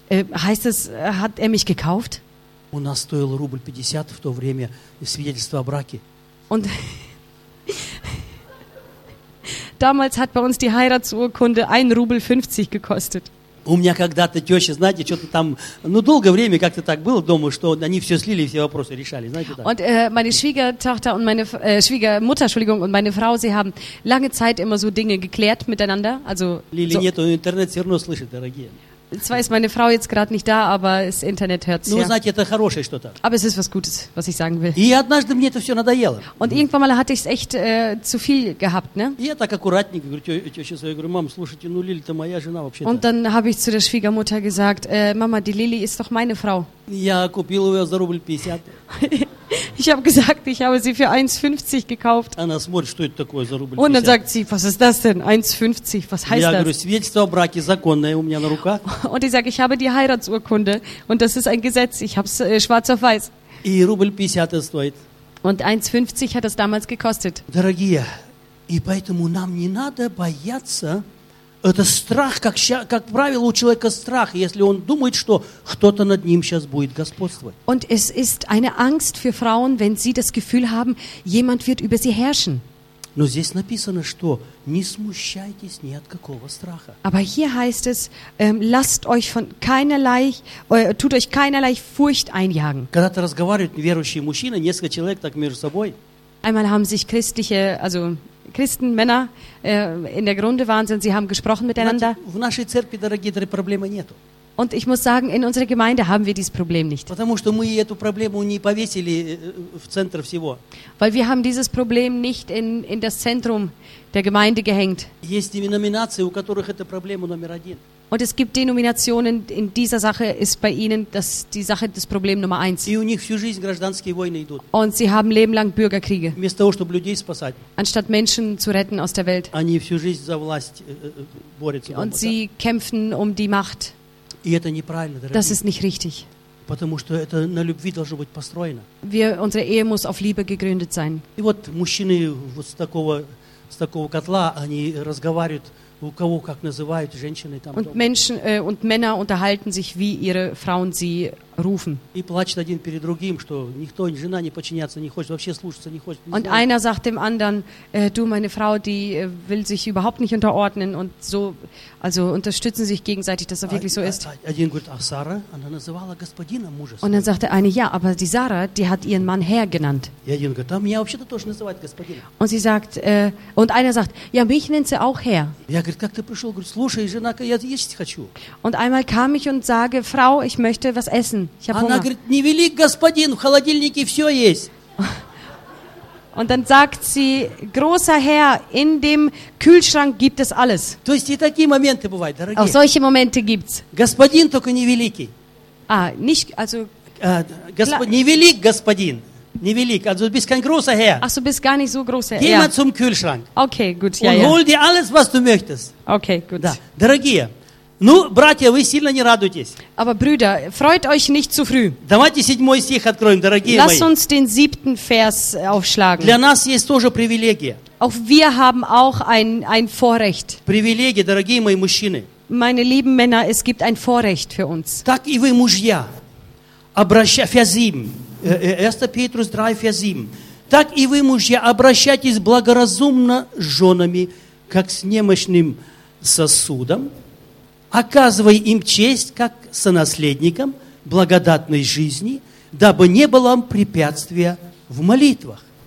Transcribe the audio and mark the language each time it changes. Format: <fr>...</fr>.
<de>Heißt es, hat er mich gekauft?</de> <ru>У нас стоил рубль 50 в то время свидетельство о браке.</ru> <de>Und damals hat bei uns die Heiratsurkunde 1,50 Rubel gekostet.</de> <ru>У меня когда-то теща, знаете, что-то там, ну, долгое время как-то так было дома, что они все слили, все вопросы решали, знаете, да.</ru> <de>Und meine Schwiegertochter und meine Schwiegermutter, Entschuldigung, und meine Frau, sie haben lange Zeit immer so Dinge geklärt miteinander, also</de> <ru>Лили, нету интернет, все равно слышит, дорогие.</ru> <de>Zwar ist meine Frau jetzt gerade nicht da, aber das Internet hört sie.</de> <ru>Ну, знаете, это хорошее что-то.</ru> <de>Aber es ist was Gutes, was ich sagen will.</de> <ru>И однажды мне это все надоело.</ru> <de>Und irgendwann mal hatte ich es echt zu viel gehabt, ne?</de> <ru>Я так аккуратненько говорю, теща своя, говорю, мам, слушайте, ну Лили-то моя жена вообще-то.</ru> <de>Und dann habe ich zu der Schwiegermutter gesagt, Mama, die Lili ist doch meine Frau.</de> <ru>Я купил ее за рубль 50.</ru> <de>Ich habe gesagt, ich habe sie für 1,50 gekauft.</de> <ru>Она смотрит, что это такое за рубль</ru> <de>50. Und dann sagt sie, was ist das denn, 1,50, was heißt</de> <ru>я</ru> <de>das?</de> <ru>Я говорю, свидетельство о браке законное у меня на руках.</ru> <de>Und ich sage, ich habe die Heiratsurkunde und das ist ein Gesetz, ich habe es schwarz auf weiß.</de> <ru>И рубль 50 это стоит.</ru> <de>Und 1,50 hat es damals gekostet.</de> <ru>Дорогие, и поэтому нам не надо бояться, это страх, как правило, у человека страх, если он думает, что кто-то над ним сейчас будет господствовать.</ru> <de>Und es ist eine Angst für Frauen, wenn sie das Gefühl haben, jemand wird über sie herrschen.</de> <ru>Но здесь написано, что не смущайтесь ни от какого страха.</ru> <de>Aber hier heißt es, lasst euch von keinerlei, tut euch keinerlei Furcht einjagen.</de> <ru>Когда-то разговаривают верующие мужчины, несколько человек так между собой.</ru> <de>Einmal haben sich christliche, also Christen, Männer, in der Grunde waren sie, und sie haben gesprochen miteinander.</de> <ru>В нашей церкви, дорогие, этой проблемы нету.</ru> <de>Und ich muss sagen, in unserer Gemeinde haben wir dieses Problem nicht.</de> <ru>Потому что мы эту проблему не повесили в центр всего.</ru> <de>Weil wir haben dieses Problem nicht in das Zentrum der Gemeinde gehängt.</de> <ru>Есть деноминации, у которых это проблема номер один.</ru> <de>Und es gibt Denominationen, in dieser Sache ist bei ihnen das Problem Nummer eins.</de> <ru>И у них всю жизнь гражданские войны идут.</ru> <de>Und sie haben lebenlang Bürgerkriege.</de> <ru>Вместо того, чтобы людей спасать.</ru> <de>Anstatt Menschen zu retten aus der Welt.</de> <ru>Они всю жизнь за власть борются.</ru> <de>Und sie kämpfen um die Macht.</de> <ru>И это неправильно, дорогие.</ru> <de>Das ist nicht richtig.</de> <ru>Потому что это на любви должно быть построено.</ru> <de>Unsere Ehe muss auf Liebe gegründet sein.</de> <ru>И вот мужчины вот с такого котла, они разговаривают, у кого как называют женщины там.</ru> <de>Und Menschen, und Männer unterhalten sich, wie ihre Frauen sie rufen.</de> <ru>И плачут один перед другим, что никто, жена не подчиняться не хочет, вообще слушаться не хочет.</ru> <de>Und einer sagt dem anderen, du, meine Frau, die will sich überhaupt nicht unterordnen und so, also unterstützen sich gegenseitig, dass das wirklich so ist.</de> <ru>Один говорит, а Сара, она называла господина мужа.</ru> <de>Und dann sagt der eine, ja, aber die Sara, die hat ihren Mann Herr genannt.</de> <ru>И один говорит, а меня вообще-то тоже называют господина.</ru> <de>Und sie sagt, und einer sagt, ja, mich nennt sie auch Herr.</de> <ru>Я говорю, как ты пришел? Говорит, слушай, жена, я есть хочу.</ru> <de>Und einmal kam ich und sage, Frau, ich möchte was essen.</de> <ru>Она говорит, не велик господин, в холодильнике все есть.</ru> <de>Und dann sagt sie, großer Herr, in dem Kühlschrank gibt es alles.</de> <ru>То есть и такие моменты бывают, дорогие.</ru> <de>Auch solche Momente gibt's.</de> <ru>Господин только не великий.</ru> <de>Nicht, also,</de> <ru>не велик господин. Не велик,</ru> <de>also du bist kein großer Herr. Ach, du bist gar nicht so großer Herr. Geh mal zum Kühlschrank. Okay, gut. Und hol dir alles, was du möchtest. Okay, gut.</de> <ru>Да. Дорогие. Ну, братья, вы сильно не радуйтесь.</ru> <de>Aber Brüder, freut euch nicht zu früh.</de> <ru>Давайте седьмой стих откроем, дорогие</ru> <de>Lass</de> <ru>мои.</ru> <de>Uns den siebten Vers aufschlagen.</de> <ru>Для нас есть тоже привилегия.</ru> <de>Auch wir haben auch ein Vorrecht.</de> <ru>Привилегия, дорогие мои мужчины.</ru> <de>Meine lieben Männer, es gibt ein Vorrecht für uns.</de> <ru>Так и вы, мужья, обращайтесь,</ru> <de>Vers 7,</de> <ru>1 Петрус 3, Vers 7. Так и вы, мужья, обращайтесь благоразумно с женами, как с немощным сосудом, оказывай им честь, как сонаследникам благодатной жизни, дабы не было им препятствия в молитвах.</ru>